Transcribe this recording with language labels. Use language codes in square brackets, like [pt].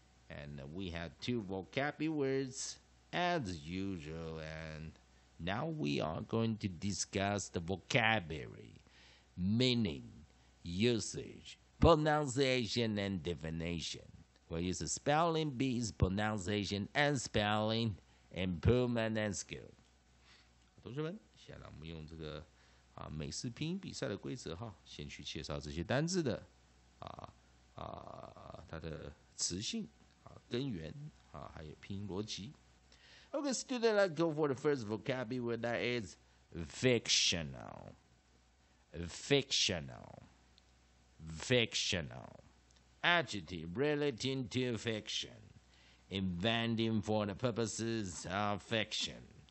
[en] And we have two vocabulary words as usual, and now we are going to discuss the vocabulary, meaning, usage, pronunciation, and definition. We'll use the spelling bees, pronunciation, and spelling, improvement, and skill. [zh] 同学们，现在我们用这个美式拼音比赛的规则哈，先去介绍这些单字的它的词性。根源还有拼音逻辑。 [en] Okay, student, let's go for the first vocabulary word that is fictional. Fictional. Fictional. Adjective relating to fiction. Inventing for the purposes of fiction.